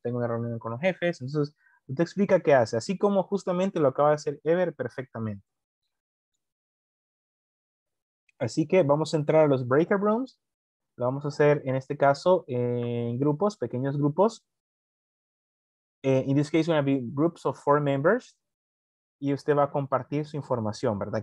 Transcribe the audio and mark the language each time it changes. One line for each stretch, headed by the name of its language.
Spanish: Tengo una reunión con los jefes. Entonces, usted explica qué hace. Así como justamente lo acaba de hacer Ever perfectamente. Así que vamos a entrar a los breaker rooms. Lo vamos a hacer en este caso en grupos, pequeños grupos.
English: In this case, going to be groups of 4 members.
Spanish: Y usted va a compartir su información, ¿verdad?